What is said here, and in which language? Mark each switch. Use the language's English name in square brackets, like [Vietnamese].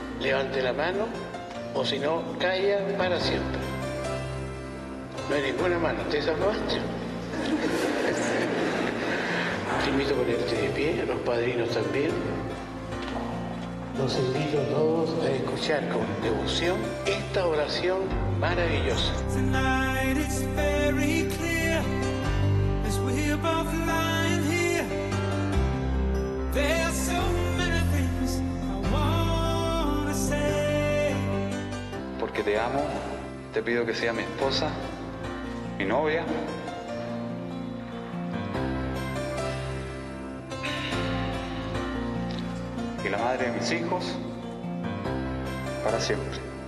[Spanish] Levante la mano. O si no, calla para siempre. No hay ninguna mano. ¿Te salvaste? Te invito a ponerte de pie, los padrinos también. Los invito a todos a escuchar con devoción esta oración maravillosa. [English] Tonight it's very clear, as we're both lying here, there's so many things I want to say. [Spanish] Porque te amo, te pido que seas mi esposa, mi novia. Y la madre de mis hijos para siempre.